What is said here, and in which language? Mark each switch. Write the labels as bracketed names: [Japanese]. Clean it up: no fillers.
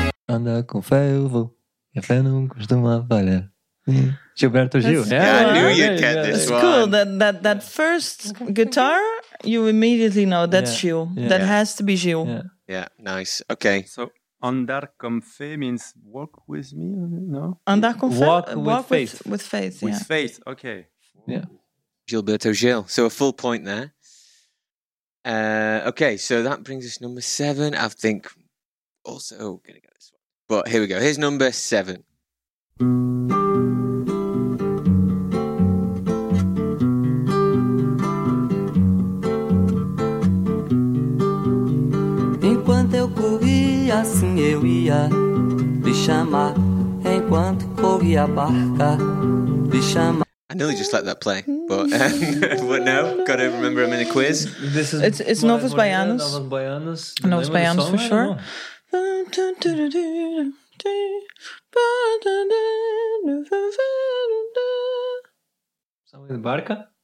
[Portuguese] Anda com fé, eu vou. E a fé não costuma falhar. [English] Gilberto Gil. Yeah, I knew you'd get this it's one. It's cool. That first guitar, you immediately know that's Gil. Yeah. That has to be Gil. Yeah, nice. Okay. So, andar con fe means walk with me, no? [Portuguese] Andar con fe? [English] Walk with faith. With faith, yeah. With faith, okay. Yeah. Gilberto Gil. So, a full point there. Okay, so that brings us number seven. I think also going to get this one. But here we go. Here's number seven. [Portuguese] Enquanto eu corria, assim eu ia lhe chamar. Enquanto corria a barca, lhe chamar. [English] I nearly just let that play, but but no, got to remember I'm in a quiz. It's Novos Baianos. Novos Baianos, for sure.